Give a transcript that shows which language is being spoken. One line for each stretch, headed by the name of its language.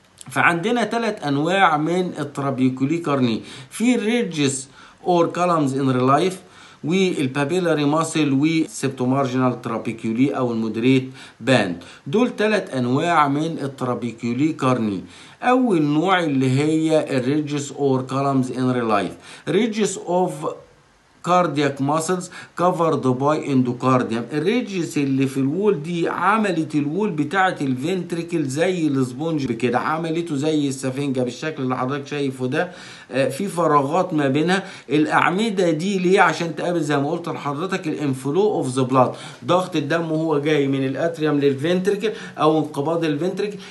Arabic: فعندنا ثلاث انواع من الترابيكولي كارني، في ريدجز اور كولمز ان ريلايف والبابيلاري ماسل والسبتومارجنال ترابيكولي او المودريت باند. دول ثلاث انواع من الترابيكولي كارني. اول نوع اللي هي الريدجز اور كولمز ان ريلايف.
English: Ridges of cardiac muscles covered by endocardium.
Arabic: الريجيس اللي في الول دي عملت الول بتاعت الفنتريكل زي الاسبونج بكده، عملته زي السفنجة بالشكل اللي حضرتك شايفه ده، في فراغات ما بينها. الاعمدة دي ليه؟ عشان تقابل زي ما قلت لحضرتك الانفلو اوف ذا بلاد، ضغط الدم وهو جاي من الاتريوم للفنتريكل او انقباض الفنتريكل.